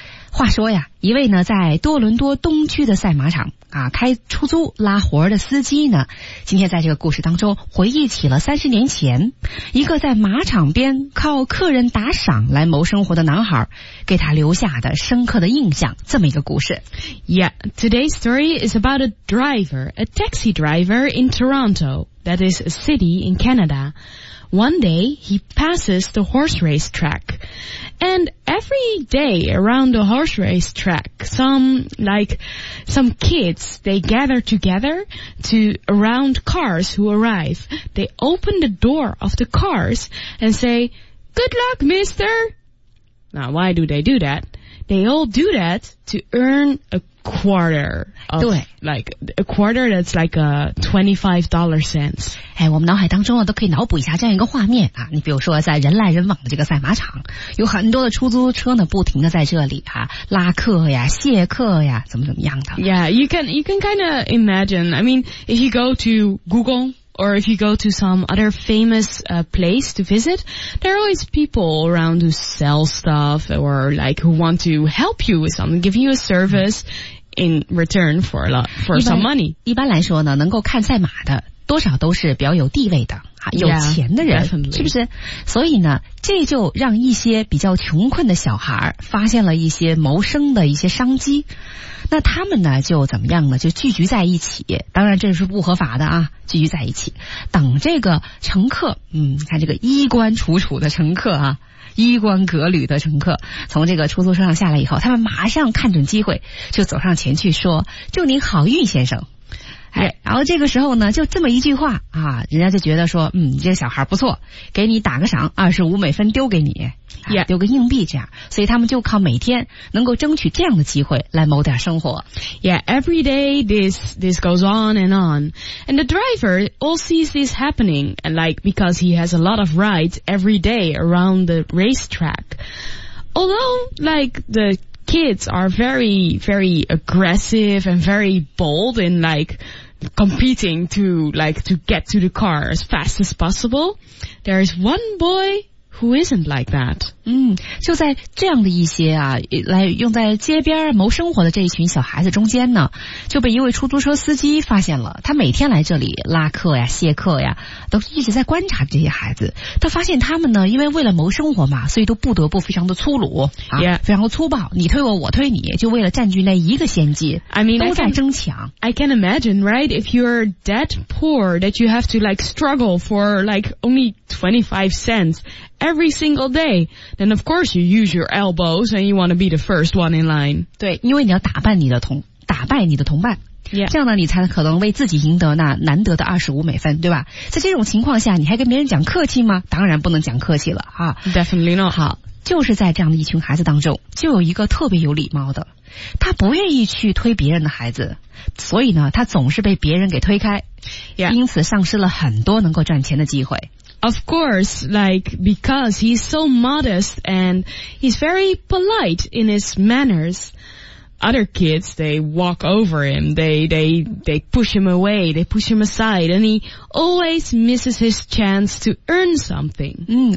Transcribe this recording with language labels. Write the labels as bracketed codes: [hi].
[zh] 话说呀，一位呢在多伦多东区的赛马场啊开出租拉活的司机呢，今天在这个故事当中回忆起了30年前一个在马场边靠客人打赏来谋生活的男孩给他留下的深刻的印象，这么一个故事。 [en] Yeah, today's story is about a taxi driver in Toronto, that is a city in Canada. One day he passes the horse race track, and every day around the horse race track, some kids, they gather together to around cars who arrive. They open the door of the cars and say, "Good luck, mister." Now, why do they do that? They all do that to earn a quarter that's like a $0.25. [zh] 哎，我们脑海当中啊都可以脑补一下这样一个画面啊，你比如说在人来人往的这个赛马场，有很多的出租车呢不停的在这里啊拉客呀卸客呀怎么怎么样的。 [en] Yeah, you can kind of imagine. I mean, if you go to Google or if you go to some other famous place to visit, there are always people around who sell stuff or like who want to help you with something, give you a service in return for some money. [zh] 一般来说呢，能够看赛马的多少都是比较有地位的啊，有钱的人， [en] yeah, [zh] 是不是？所以呢，这就让一些比较穷困的小孩发现了一些谋生的一些商机。那他们呢，就怎么样呢？就聚集在一起，当然这是不合法的啊，聚集在一起，等这个乘客，看这个衣冠楚楚的乘客啊，衣冠革履的乘客从这个出租车上下来以后，他们马上看准机会，就走上前去说：“祝您好运，先生。” 然后这个时候呢就这么一句话啊，人家就觉得说你这个小孩不错，给你打个赏25美分丢给你、丢个硬币这样，所以他们就靠每天能够争取这样的机会来谋点生活。 [en] Yeah, every day this goes on and on, and the driver all sees this happening, and like because he has a lot of rides every day around the racetrack, although like the kids are very very aggressive and very bold in like competing to get to the car as fast as possible, there is one boy who isn't like that. [zh] 就在这样的一些啊来用在街边谋生活的这一群小孩子中间呢，就被一位出租车司机发现了，他每天来这里拉客呀卸客呀，都一直在观察这些孩子，他发现他们呢因为为了谋生活嘛，所以都不得不非常的粗鲁啊、非常的粗暴，你推我推你，就为了占据那一个先机。 [en] I mean, [zh] 都在争抢。 [en] I can imagine, right, if you're that poor that you have to like struggle for like only 25 cents every single day, then of course you use your elbows and you want to be the first one in line. [zh] 对，因为你要打败你的同伴。 [en] Yeah. [zh] 这样呢你才可能为自己赢得那难得的25美分，对吧？在这种情况下你还跟别人讲客气吗？当然不能讲客气了啊。 [en] Definitely not. [zh] 好，就是在这样的一群孩子当中，就有一个特别有礼貌的，他不愿意去推别人的孩子，所以呢他总是被别人给推开。 [en] Yeah. [zh] 因此丧失了很多能够赚钱的机会。 [en] Of course, like, because he's so modest and he's very polite in his manners, other kids, they walk over him, they push him away, they push him aside, and he always misses his chance to earn something.